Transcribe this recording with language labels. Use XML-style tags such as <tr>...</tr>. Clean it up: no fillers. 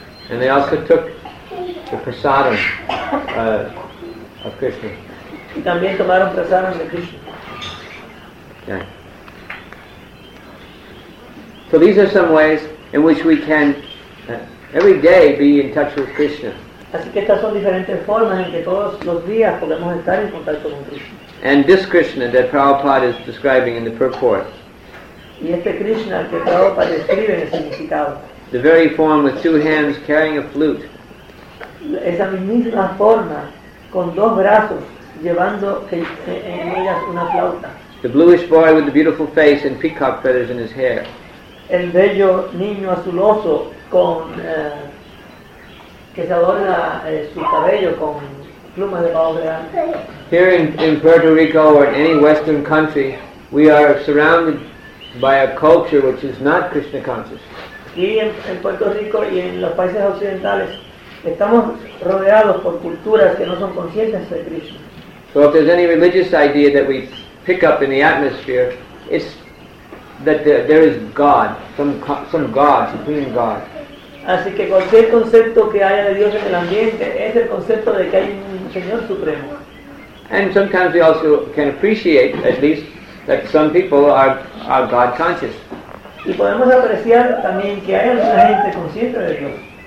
<en>And they also took the prasadam of Krishna.</en> <es>Y también tomaron prasadam de Krishna.</es> <en>Okay. So these are some ways in which we can every day be in touch with Krishna.</en> <es>Así que estas son diferentes formas en que todos los días podemos estar en contacto con Krishna.</es> <en>And this Krishna that Prabhupada is describing in the purport.</en> <es>Y este Krishna que Prabhupada describe en el significado.</es> <en>The very form with two hands carrying a flute.</en> <es>Esa misma forma con dos brazos llevando en ellas una flauta.</es> <en>The bluish boy with the beautiful face and peacock feathers in his hair.</en> <es>El bello niño azuloso con que se adorna su cabello con plumas de pavo real.</es> <en>Here in Puerto Rico or in any Western country, we are surrounded by a culture which is not Krishna conscious.</en> <es>Y en Puerto Rico y en los países occidentales, estamos rodeados por culturas que no son conscientes de Krishna.</es> <en>So if there's any religious idea that we pick up in the atmosphere, it's that there is God, some God, supreme God.</en> <es>Así que cualquier concepto que haya de Dios en el ambiente es el concepto de que hay un Señor supremo.</es> <en>And sometimes we also can appreciate, at least, that some people are God conscious.</en> <es>Y podemos apreciar también que hay alguna gente consciente de Dios.</es>